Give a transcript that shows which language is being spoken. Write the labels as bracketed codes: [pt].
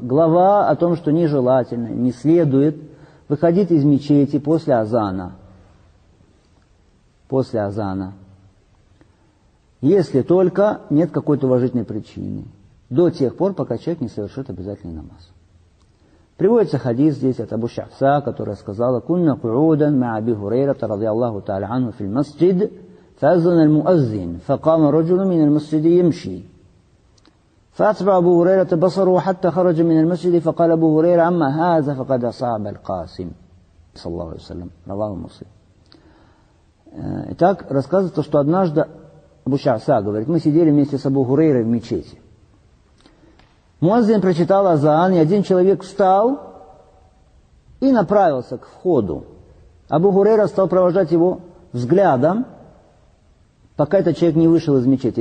[ru] Глава о том, что нежелательно, не следует выходить из мечети после азана. После азана. Если только нет какой-то уважительной причины. До тех пор, пока человек не совершит обязательный намаз. Приводится хадис здесь от Абу Шахса, которая сказала: [ar] «Кунна ку'удан ма Аби Хурейрата ради Аллаху та'аля анху фил масджид». فأذن المؤذن فقام رجل من المسجد يمشي فأتبع أبو هريرة بصره حتى خرج من المسجد فقال أبو هريرة أما هذا فقد أصاب القاسم صلى الله عليه وسلم رواه مسلم. [ru] Итак, рассказывается, что однажды Абу Шаса говорит, мы сидели вместе с Абу Хурейрой в мечети. Муаззин прочитал азан, и один человек встал и направился к входу. Абу Хурейра стал провожать его взглядом, пока этот человек не вышел из мечети.